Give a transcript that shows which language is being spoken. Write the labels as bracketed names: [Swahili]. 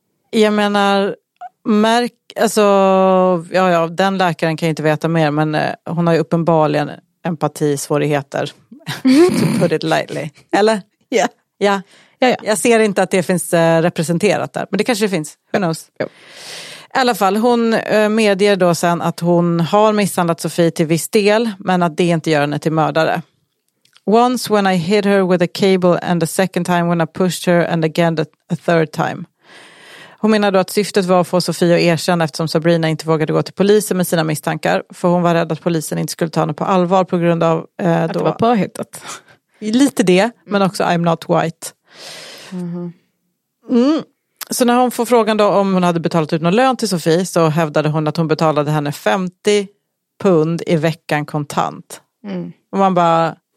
[Swedish] Jag menar, alltså, ja, den läkaren kan ju inte veta mer, men hon har ju uppenbarligen empatisvårigheter. [English] To put it lightly. Eller? Yeah. [Swedish] Ja. Ja, ja. Jag ser inte att det finns representerat där, men det kanske det finns. [English] Who knows? [Swedish] Jo. I alla fall, hon medger då sen att hon har misshandlat Sofie till viss del, men att det inte gör henne till mördare. [English] Once when I hit her with a cable and a second time when I pushed her and again a third time. [Swedish] Hon menar då att syftet var att få Sofie att erkänna eftersom Sabrina inte vågade gå till polisen med sina misstankar. För hon var rädd att polisen inte skulle ta henne på allvar på grund av... att det var påhittat. Lite det, men också [English] I'm not white. [Swedish] Så när hon får frågan då om hon hade betalat ut någon lön till Sofie, så hävdade hon att hon betalade henne 50 pund i veckan kontant. Och man bara...